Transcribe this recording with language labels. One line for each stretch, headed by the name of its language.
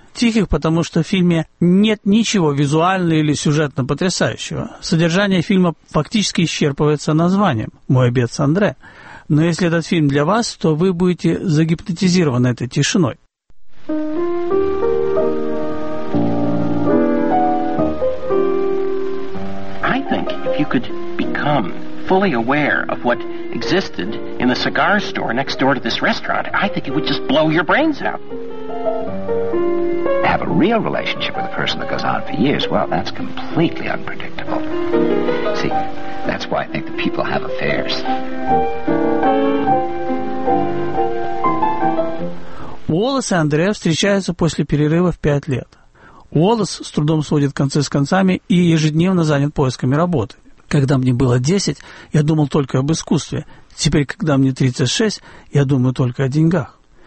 Russian: Тихих, потому что в фильме нет ничего визуально или сюжетно потрясающего. Содержание фильма фактически исчерпывается названием «Мой обед с Андре». Но если этот фильм для вас, то вы будете загипнотизированы этой тишиной.
English: I think if you could become fully aware of what existed in the cigar store next door to this restaurant, I think it would just blow your brains out. Have a real relationship with a person that goes on for years, well, that's completely unpredictable. See, that's why I think that people have affairs.
Russian: Уоллес и Андре встречаются после перерыва в 5 лет. Уоллес с трудом сводит концы с концами и ежедневно занят поисками работы. Когда мне было 10, я думал только об искусстве. Теперь, когда мне 36, я думаю только о деньгах.